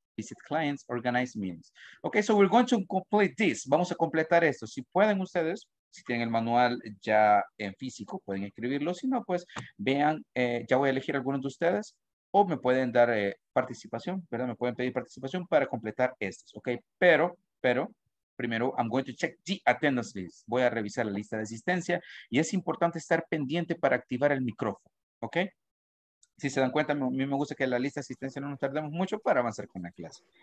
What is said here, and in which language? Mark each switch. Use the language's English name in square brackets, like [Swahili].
[English] Visit clients, organize meetings. Okay, so we're going to complete this. [Spanish] Vamos a completar esto. Si pueden ustedes. Si tienen el manual ya en físico, pueden escribirlo. Si no, pues vean, ya voy a elegir algunos de ustedes o me pueden dar participación, ¿verdad? Me pueden pedir participación para completar estos, ¿ok? Pero, primero, [English] I'm going to check the attendance list. [Spanish] Voy a revisar la lista de asistencia y es importante estar pendiente para activar el micrófono, ¿ok? Si se dan cuenta, a mí me gusta que la lista de asistencia no nos tardemos mucho para avanzar con la clase.